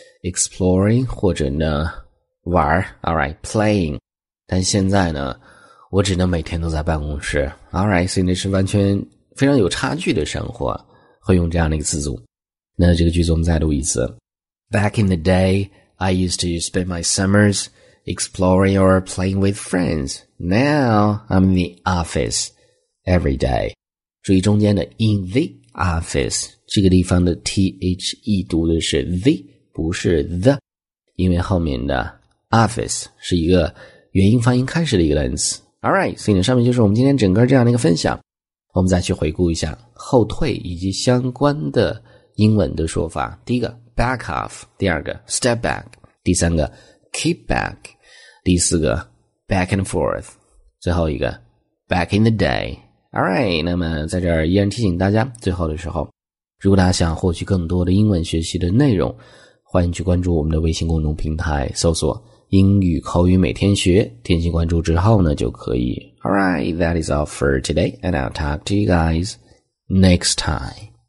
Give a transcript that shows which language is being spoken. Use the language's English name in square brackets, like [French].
[Chinese] exploring, 或者呢玩 ,alright, playing. 但现在呢我只能每天都在办公室。 alright, 所以那是完全非常有差距的生活，会用这样的一个词组。那这个句子我们再读一次。 [English] Back in the day, I used to spend my summers exploring or playing with friends. Now, I'm in the office every day. [Chinese] 注意中间的 in the office， 这个地方的 THE 读的是 the 不是 the， 因为后面的 office 是一个元音发音开始的一个单词。 Alright， 所以呢上面就是我们今天整个这样的一个分享，我们再去回顾一下后退以及相关的英文的说法。第一个 [English] back off， [Chinese] 第二个 [English] step back， [Chinese] 第三个 [English] keep back， [Chinese] 第四个 [English] back and forth， [Chinese] 最后一个 [English] back in the day。 [Chinese] Alright， 那么在这儿依然提醒大家，最后的时候，如果大家想获取更多的英文学习的内容，欢迎去关注我们的微信公众平台，搜索英语口语每天学，点击关注之后呢就可以。 [English] Alright, that is all for today, and I'll talk to you guys next time.